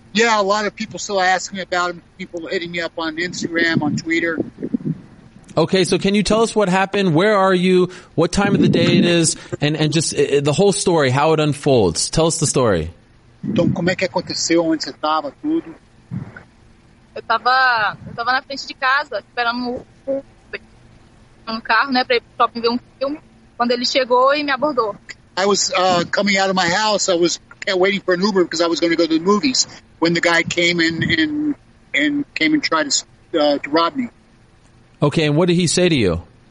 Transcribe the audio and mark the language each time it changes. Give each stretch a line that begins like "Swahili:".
English: Yeah, a lot of people still asking about him. People hitting me up on Instagram, on Twitter. Okay, so can you tell us what happened? Where are you? What time of the day it is? And just the whole story, how it unfolds. Tell us the story.
Portuguese: Então, como é que aconteceu, onde você estava, tudo? Eu tava na frente de casa, esperando um carro, né, para ver um filme. Quando ele chegou e me abordou.
English: I was coming out of my house. I was waiting for an Uber because I was going to go to the movies. When the guy came in and came and tried to rob me. Okay, and what did he say to you?